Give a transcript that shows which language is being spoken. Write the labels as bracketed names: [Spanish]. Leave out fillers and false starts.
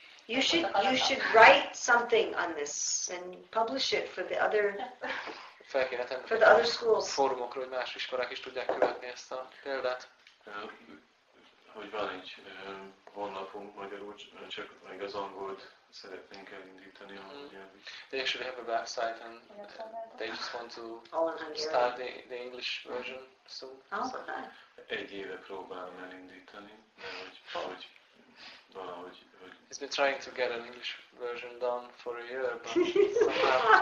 [English] You should write something on this and publish it for the other. For the other schools. [Hungarian] Fórumokról, hogy más iskolák is tudják követni ezt a példát. Hogy van egy honlapunk magyarul, csak meg az angolt szeretnénk elindítani a nyelvét. [English] They actually have a website and they just want to start the English version soon. [Hungarian] Egy éve próbálom elindítani, hogy valahogy. [English] He's been trying to get an English version done for a year, but somehow.